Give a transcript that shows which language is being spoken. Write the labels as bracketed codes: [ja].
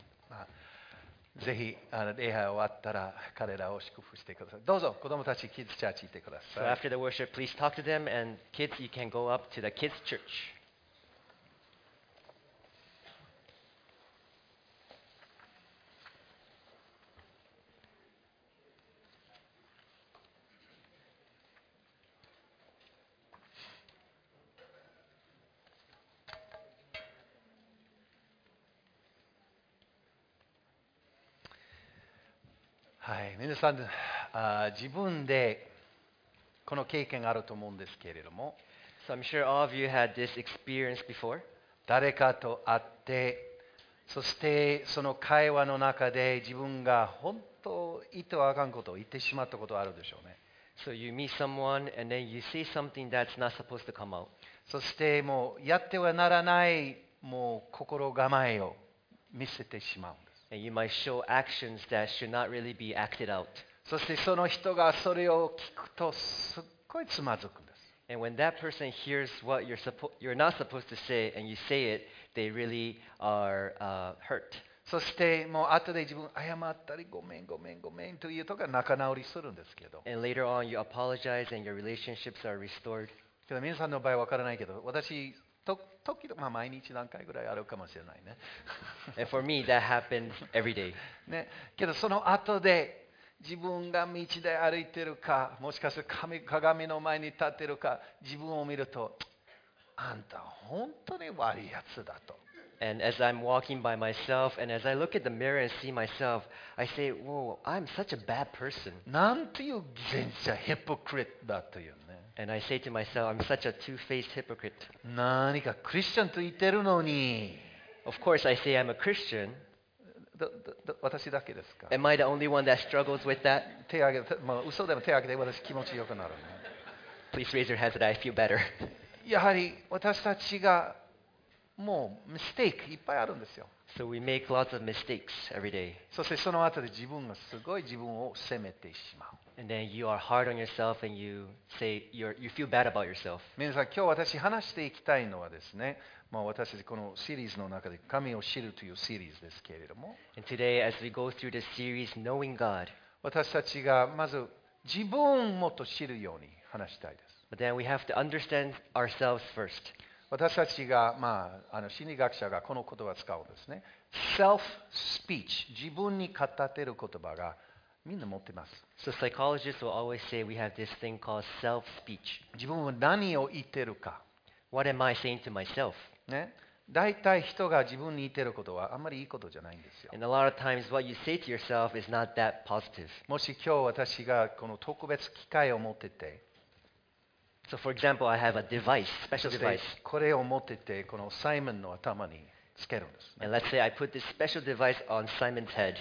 [ja] まあ、ぜひ礼拝終わったら彼らを祝福してください。どうぞ子供たち、キッズチャーチ行ってください。 [en] So after the worship, please talk to them and kids, you can go up to the kids' church. [ja] はい、皆さん自分でこの経験があると思うんですけれども、 [en] so I'm sure all of you had this experience before. [ja] 誰かと会って、そしてその会話の中で自分が本当言ってはあかんことを言ってしまったことあるでしょうね。 [en] So you meet someone and then you say something that's not supposed to come out. [ja] そしてもうやってはならないもう心構えを見せてしまう。 [en] And you might show actions that should not really be acted out. [ja] そしてその人がそれを聞くとすっごいつまずくんです。 [en] And when that person hears what you're not supposed to say and you say it, they really are hurt. [ja] そしてもう後で自分謝ったりごめんごめんごめんというとか仲直りするんですけど。 [en] And later on you apologize and your relationships are restored. [ja] けど皆さんの場合わからないけど、私時々、まあ、毎日何回ぐらいあるかもしれないね。 [en] And for me, that happens every day. [ja] ね、けどその後で自分が道で歩いてるか、もしかすると鏡の前に立ってるか、自分を見ると、あんた本当に悪いやつだと。 [en] And as I'm walking by myself, and as I look at the mirror and see myself, I say, "Whoa, I'm such a bad person." [ja] なんていう善者、hypocrite だというね。 [en] And I say to myself, I'm such a two-faced hypocrite. [ja] 何かクリスチャンと言ってるのに。 [en] Of course, I say I'm a Christian. [ja] 私だけですか。 [en] Am I the only one that struggles with that? [ja] 手挙げ、まあ嘘でも手挙げて私気持ちよくなるね。 [en] Please raise your hands that I feel better. [ja] やはり私たちがもうミステイクいっぱいあるんですよ。 [en] So we make lots of mistakes every day. [ja] そしてその後で自分がすごい自分を責めてしまう。 [en] And then you are hard on yourself and you say you feel bad about yourself. [ja] 皆さん、今日私話していきたいのはですね、まあ、私このシリーズの中で神を知るというシリーズですけれども。 [en] And today as we go through this series, knowing God. [ja] 私たちがまず自分をもっと知るように話したいです。 [en] But then we have to understand ourselves first. [ja] 私たちが、まあ、心理学者がこの言葉を使うんですね。 Self speech、自分に語っている言葉がみんな持っています。 [en] So psychologists will always say we have this thing called self speech。 [ja] 自分は何を言っているか。 [en] What am I saying to myself? [ja] ね。大体人が自分に言っていることはあんまりいいことじゃないんですよ。 [en] And a lot of times what you say to yourself is not that positive。 [ja] もし今日私がこの特別機会を持ってて、 [en] So for example, I have a device, special device. [ja] これを持ってて、このサイモンの頭につけるんです、ね。 [en] And let's say I put this special device on Simon's head.